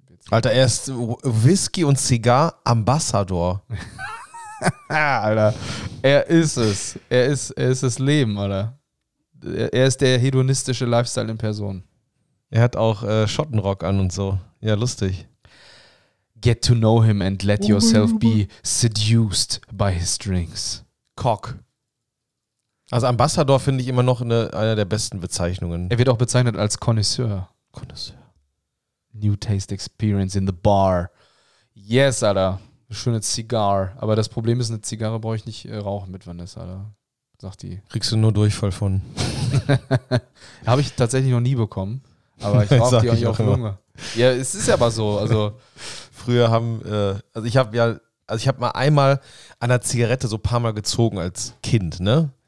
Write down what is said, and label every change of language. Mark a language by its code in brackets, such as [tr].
[de] Alter, er ist Whisky und Zigar Ambassador. Alter, er ist es. Er ist das Leben, Alter. Er ist der hedonistische Lifestyle in Person. Er hat auch Schottenrock an und so. Ja, lustig. [en] Get to know him and let yourself be seduced by his drinks. Cock. [de] Also Ambassador finde ich immer noch eine der besten Bezeichnungen. Er wird auch bezeichnet als Connoisseur. [en] New taste experience in the bar. Yes, [de] Alter. Schöne Zigarre. Aber das Problem ist, eine Zigarre brauche ich nicht rauchen mit Vanessa, Alter. Sagt die. Kriegst du nur Durchfall von. Habe ich tatsächlich noch nie bekommen. Aber ich rauche die auch nicht auf Lunge. Ja, es ist aber so. Also früher haben, ich habe mal einmal an der Zigarette so ein paar Mal gezogen als Kind, ne?